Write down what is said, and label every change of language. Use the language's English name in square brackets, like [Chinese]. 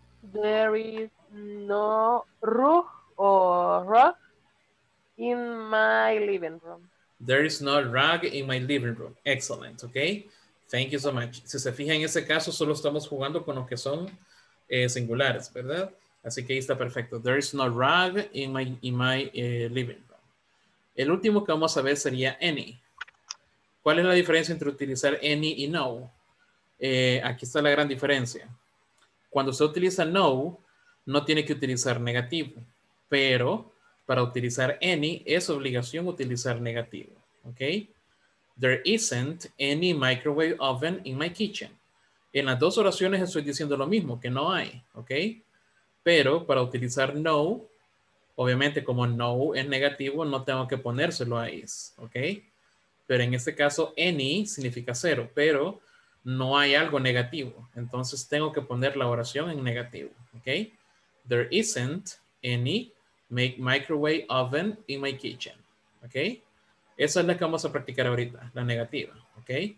[English] There is no roof or rug in my living room. There is no rug in my living room. Excellent. Okay. Thank you so much. [Spanish] Si se fija en ese caso, solo estamos jugando con los que son singulares, ¿verdad? Así que ahí está perfecto. [English] There is no rug in my living room. [Spanish] El último que vamos a ver sería any. ¿Cuál es la diferencia entre utilizar any y no? Aquí está la gran diferencia. Cuando se utiliza no, no tiene que utilizar negativo. Pero para utilizar any, es obligación utilizar negativo. ¿Ok? [English] There isn't any microwave oven in my kitchen. [Spanish] En las dos oraciones estoy diciendo lo mismo, que no hay. ¿Ok? Pero para utilizar no, obviamente como no es negativo, no tengo que ponérselo a is. ¿Ok? Pero en este caso, any significa cero. Pero no hay algo negativo. Entonces tengo que poner la oración en negativo. ¿Ok? [English] There isn't any microwave oven in my kitchen. ¿Ok? [Spanish] Esa es la que vamos a practicar ahorita, la negativa, ¿ok?